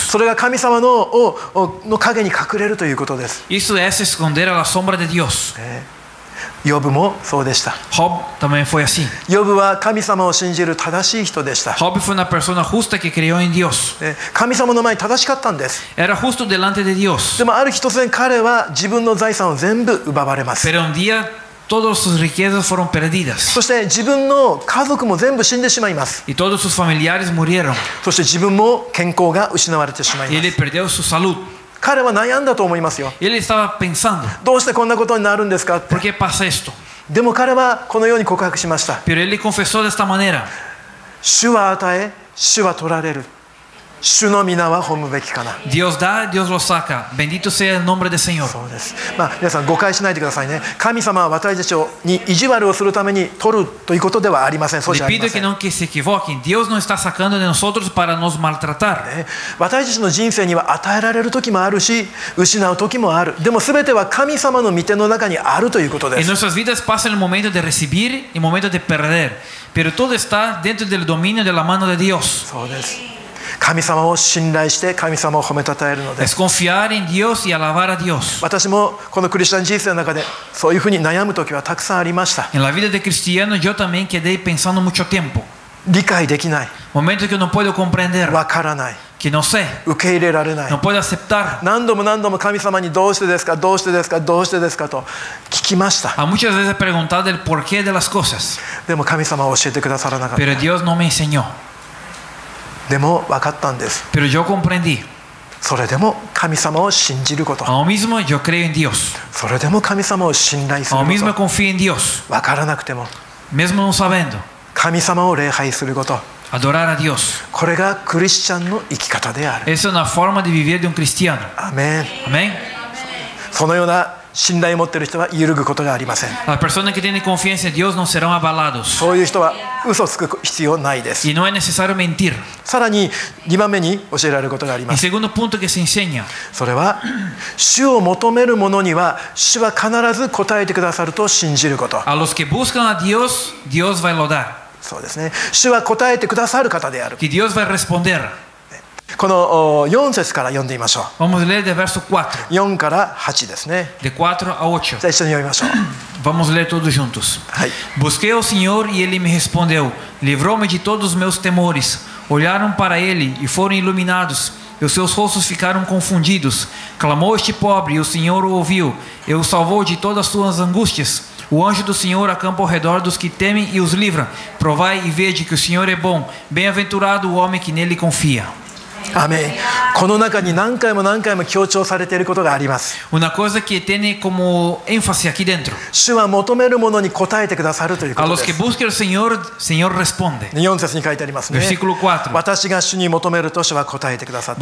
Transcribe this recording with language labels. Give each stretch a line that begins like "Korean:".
Japanese: それが神様の影に隠れるということです。
Spanish: Eso es esconder a la sombra de Dios.
Japanese: ヨブもそうでした。
Spanish: Job también fue así.
Japanese: ヨブは神様を信じる正しい人でした。
Spanish: Job fue una persona justa que creyó en Dios.
Japanese: 神様の前に正しかったんです。
Spanish: Era justo delante de Dios.
Japanese: でもある日突然彼は自分の財産を全部奪われます。
Spanish: Pero un día todas sus riquezas fueron perdidas.
Japanese: そして自分の家族も全部死んでしまいます。
Spanish: Y todos sus familiares murieron.
Japanese: そして自分も健康が失われてしまいます。
Spanish: Y él perdió su salud.
Japanese: 彼は悩んだと思いますよ。
Spanish: Él estaba pensando.
Japanese: どうしてこんなことになるんですかって。
Spanish: ¿Por qué pasa esto?
Japanese: でも彼はこのように告白しました。
Spanish: Pero él confesó de esta manera.
Japanese: 主は与え、主は取られる。主の皆は褒むべきかな。
Spanish: Dios da, Dios lo saca. Bendito sea el nombre del Señor.
Japanese: そうです。まあ、皆さん誤解しないでくださいね。神様は私たちに意地悪をするために取るということではありません。そうじゃありません。
Spanish: Repito que no se equivoquen. Dios no está sacando de nosotros para nos maltratar.
Japanese: 私たちの人生には与えられる時もあるし、失う時もある。でも全ては神様の御手の中にあるということです。
Spanish: En nuestras vidas pasa el momento de recibir y el momento de perder. Pero todo está dentro del dominio de la mano de Dios.
Japanese: そうです。神様を信頼して神様を褒めたたえるのです。
Spanish: Es confiar en Dios y alabar a Dios.
Japanese: 私もこのクリスチャン人生の中でそういうふうに悩む時はたくさんありました。
Spanish: En la vida de cristiano yo también quedé pensando mucho tiempo.
Japanese: 理解できない。
Spanish: Momentos que no puedo comprender.
Japanese: 分からない。
Spanish: Que no sé.
Japanese: 受け入れられない。
Spanish: No puedo aceptar.
Japanese: 何度も何度も神様にどうしてですか、どうしてですか、どうしてですかと聞きました。
Spanish: A muchas veces he preguntado el porqué de las cosas.
Japanese: でも神様は教えてくださらなかった。
Spanish: Pero Dios no me enseñó.
Japanese: でも分かったんです。
Spanish: Pero yo comprendí.
Japanese: それでも神様を信じること。
Spanish: A lo mismo yo creo en Dios.
Japanese: それでも神様を信頼すること。
Spanish: A lo mismo confío en Dios.
Japanese: 分からなくても。
Spanish: Mesmo no sabiendo.
Japanese: 神様を礼拝すること。
Spanish: Adorar a Dios.
Japanese: これがクリスチャンの生き方である。
Spanish: Es una forma de vivir de un cristiano. Amén. Amén.
Japanese: そのような信頼を持っている人は揺るぐことがありません。
Spanish: La persona que tiene confianza en Dios no serán abalados.
Japanese: そういう人は嘘をつく必要ないです。
Spanish: Y no es necesario mentir.
Japanese: さらに2番目に教えられることがあります。
Spanish: El segundo punto que se enseña.
Japanese: それは主を求める者には主は必ず答えてくださると信じること。
Spanish: A los que buscan a Dios, Dios va a lo dar.
Japanese: そうですね。主は答えてくださる方である。
Spanish: Y Dios va a responder.
Japanese: この4節から読んでみましょう。 4 から8ですね。
Spanish: De 4 a 8.
Japanese: 一緒に読みましょう。
Spanish: Vamos leer todos juntos. Busqué al Señor y Él me respondeu.
Portuguese: Livrou-me de todos os meus temores. Olharam para Ele e foram iluminados. E os seus rostos ficaram confundidos. Clamou este pobre e o Senhor o ouviu. E o salvou de todas as suas angústias. O anjo do Senhor acampa ao redor dos que temem e os livra. Provai e vede que o Senhor é bom. Bem-aventurado o homem que nele confia.
Spanish: Amén.
Japanese: この中に何回も強調されていることがあります。
Spanish: Una cosa que tiene como énfasis aquí dentro.
Japanese: 主は求めるものに応えてくださるということです。
Spanish: A los que busquen al Señor, Señor responde.
Japanese: 4節に書いてありますね。
Spanish: Versículo 4.
Japanese: 私が主に求めると主は答えてくださった。